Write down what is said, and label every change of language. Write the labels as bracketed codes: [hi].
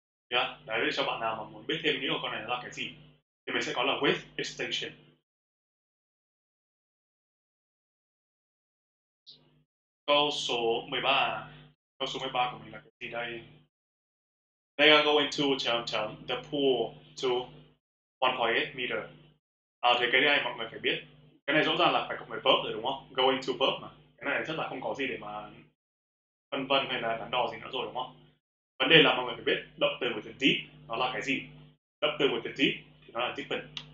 [vi] Yeah, đấy để cho bạn nào mà muốn biết thêm những con này là cái gì thì mình sẽ có là with extinction. Câu số 13, câu số 13 của mình là cái gì đây? [en] They are going to [vi] chấm chấm [en] the pool to 1.8 meter. [vi] À, thì cái này mọi người phải biết. Cái này rõ ràng là phải cộng với verb rồi đúng không? [en] Going to verb [vi] mà. Cái này chắc là không có gì để mà phân vân hay là đắn đo gì nữa rồi đúng không? Vấn đề là mọi người phải biết động từ của từ deep nó là cái gì? Động từ của từ deep thì nó là deepen.